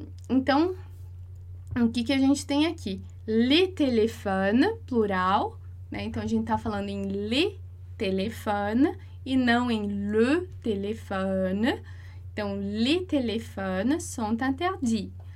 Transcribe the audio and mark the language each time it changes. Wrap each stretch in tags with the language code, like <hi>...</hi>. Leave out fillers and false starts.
<pt>Então, o que que a gente tem aqui?</pt> <fr>Les téléphones,</fr> <pt>plural, né? Então, a gente tá falando em</pt> <fr>les téléphones</fr> <pt>e não em</pt> <fr>le téléphone. Então, les téléphones sont interdits.</fr>